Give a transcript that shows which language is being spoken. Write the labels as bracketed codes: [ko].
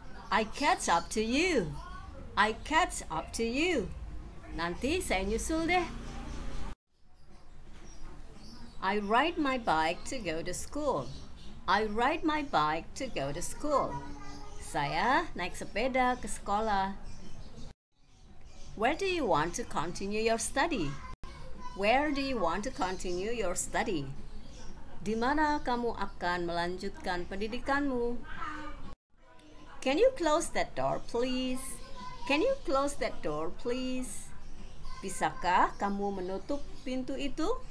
[en] I catch up to you. I catch up to you. [id] Nanti saya nyusul deh. [en] I ride my bike to go to school. I ride my bike to go to school. [id] Saya naik sepeda ke sekolah. [en] Where do you want to continue your study? Where do you want to continue your study? [id] Di mana kamu akan melanjutkan pendidikanmu? [en] Can you close that door, please? Can you close that door, please? [id] Bisakah kamu menutup pintu itu?